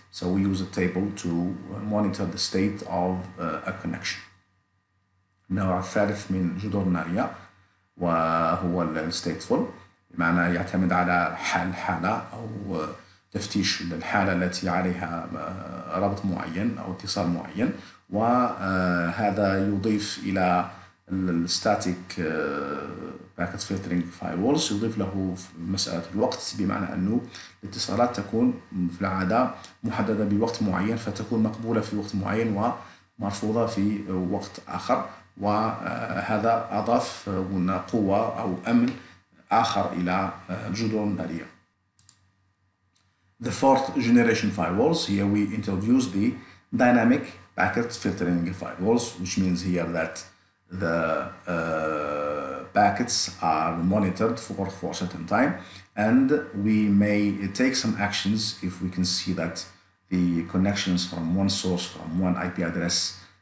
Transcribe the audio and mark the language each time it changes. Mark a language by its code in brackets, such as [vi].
[en] So we use a table to monitor the state of a connection. [ar] نوع الثالث من جدر النارية وهو الستيتفول، بمعنى يعتمد على حال حالة أو تفتيش للحالة التي عليها ربط معين أو اتصال معين، وهذا يضيف إلى الستاتيك باكت فلترينج فايرولز، يضيف له مسألة الوقت، بمعنى أنه الاتصالات تكون في العادة محددة بوقت معين، فتكون مقبولة في وقت معين ومرفوضة في وقت آخر، وهذا أضاف هنا قوة أو أمن آخر إلى الجدر النارية. [en] The fourth generation firewalls, here we introduce the dynamic packet filtering firewalls, which means here that the packets are monitored for a certain time, and we may take some actions if we can see that the connections from one source, from one IP address